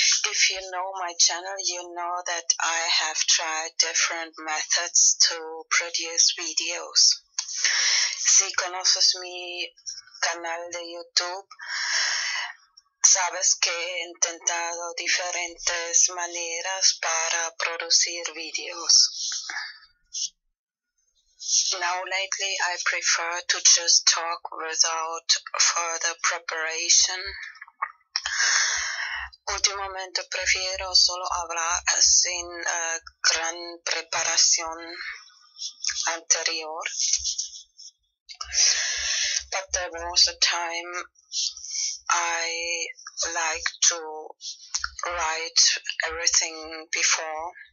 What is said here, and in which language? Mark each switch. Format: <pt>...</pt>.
<en>If you know my channel, you know that I have tried different methods to produce videos.</en> <es>Si conoces mi canal de YouTube, sabes que he intentado diferentes maneras para producir videos.</es> <en>Now lately I prefer to just talk without further preparation.</en> <es>Últimamente prefiero solo hablar sin gran preparación anterior.</es> <en>But there was a time I like to write everything before.</en>